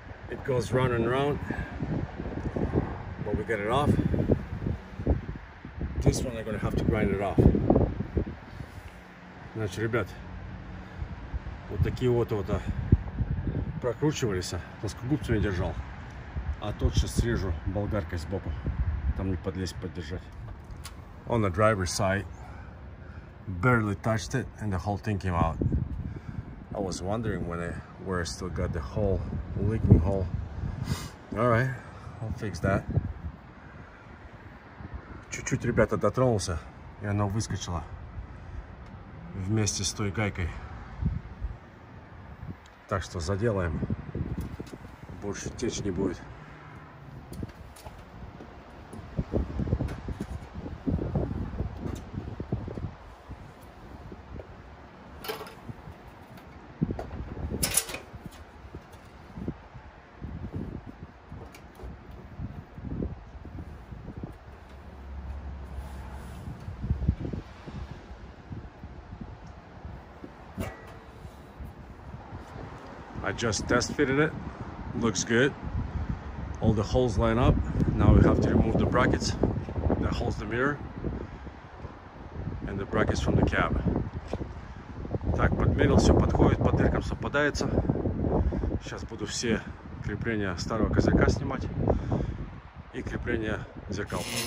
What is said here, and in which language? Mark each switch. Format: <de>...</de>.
<en>It goes round and round, but we get it off. This one I'm gonna have to grind it off.</en> <ru>Значит, ребят, вот такие вот прокручивались, плоскогубцами держал, а тот сейчас срежу болгаркой сбоку, там не подлезть, поддержать.</ru> <en>On the driver's side, barely touched it, and the whole thing came out. I was wondering where I still got the hole, leaking hole. All right, I'll fix that.</en> <ru>Чуть-чуть, ребята, дотронулся, и оно выскочило вместе с той гайкой. Так что заделаем. Больше течь не будет.</ru> <en>I just test fitted it, looks good. All the holes line up. Now we have to remove the brackets that holds the mirror and the brackets from the cab.</en> <ru>Так, подмерил, все подходит, по дыркам совпадается. Сейчас буду все крепления старого козырька снимать и крепления зеркал.</ru>